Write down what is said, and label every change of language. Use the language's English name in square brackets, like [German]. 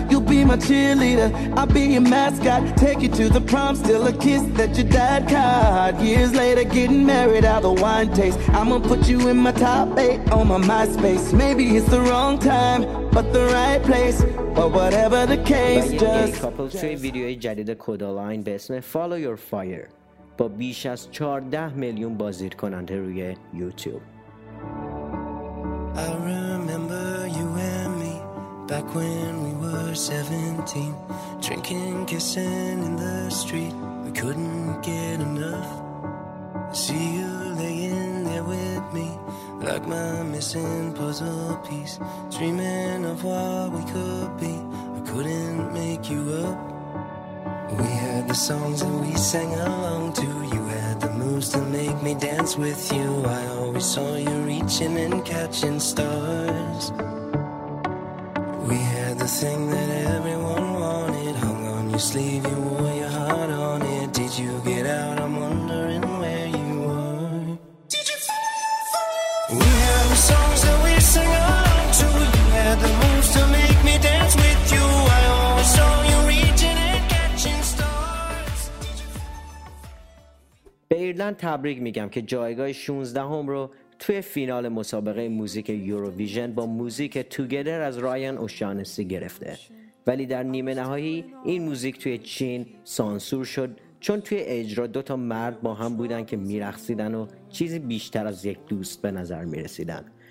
[English] You'll be my cheerleader, I'll be your mascot. Take you to the prom, still a kiss that your dad caught. Years later getting married, how the wine tastes. I'ma put you in my top 8 on my MySpace. Maybe it's the wrong time, but the right place, but whatever the case, just couple three [Persian] video جدید کدالاین به اسم Follow Your Fire با بیش از 14 میلیون بازدید کننده روی یوتیوب. [English] I remember you and me back when we were 17, drinking, kissing in the street. We couldn't get enough. See you laying there with me like my missing puzzle piece, dreaming of what we could be. I couldn't make you up. We had the songs that we sang along to. You had the moves to make me dance with you. I always saw you reaching and catching stars. We had the thing that everyone wanted. Hung on your sleeve, you wore your heart on it. Did you get out? I'm wondering where you are. Did you follow your fire? We had the songs that we sang along to. You had the moves to make me dance with you. I always saw you reaching and catching stars. [Persian] به ایرلند تبریک میگم که جایگاه 16ام رو توی فینال مسابقه موزیک یوروویژن با موزیک توگیدر از رایان اوشانسی گرفته. ولی در نیمه نهایی این موزیک توی چین سانسور شد، چون توی اجرا دوتا مرد با هم بودن که میرخصیدن و چیزی بیشتر از یک دوست به نظر میرسیدن.